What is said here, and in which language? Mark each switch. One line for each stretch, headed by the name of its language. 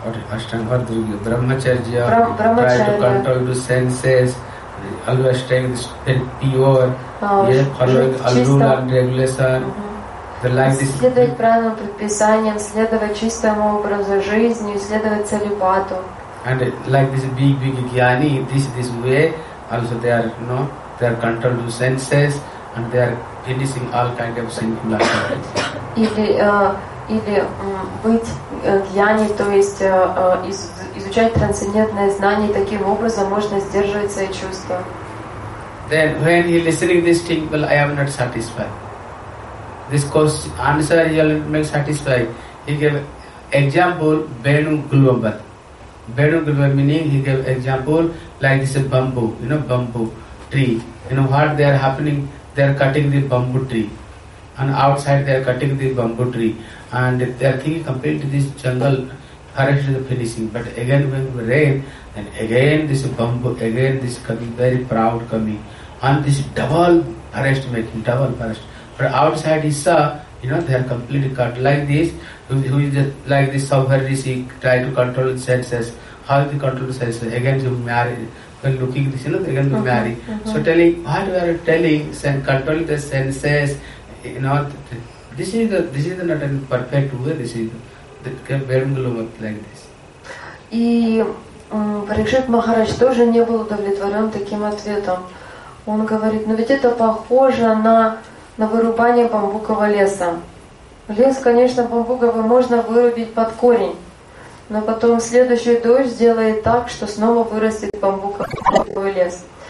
English: Аштанга-йоги, брахмачарья, try to control the senses, always trying to feel pure, following all rule and regulation.
Russian: Следовать правильным предписаниям, следовать чистому образу жизни, следовать целибату.
English: And like this big jnani, this way, also they are controlled with senses, and they are finishing all kind of sinful activities.
Russian: Или быть jnani, то есть изучать трансцендентное знание, таким образом можно сдерживать свои чувства.
English: Then when he listening this thing, well, I am not satisfied. This question, answer he'll make satisfied. He gave example, Venu Gulvambar. Venu Gulvambar meaning, he gave example, like this bamboo, bamboo tree. What they are happening? They are cutting the bamboo tree. And outside they are cutting the bamboo tree. And they are thinking compared to this jungle, forest is finishing. But again when it rain, then again this bamboo, again this coming, very proud coming. And this double forest. But outside he saw, they are completely cut like this. Who is just like this Sauhari she try to control the senses. How is the control the senses? Again you marry. When looking at this, again you marry. So telling what we are telling, control the senses, this is not a perfect way, this is the Verungalum like this.
Russian: И Парикшит Махарадж тоже не был удовлетворен таким ответом. Он говорит, ведь это похоже на вырубание бамбукового леса. Лес, конечно, бамбуковый можно вырубить под корень, но потом следующий дождь сделает так, что снова вырастет бамбуковый лес.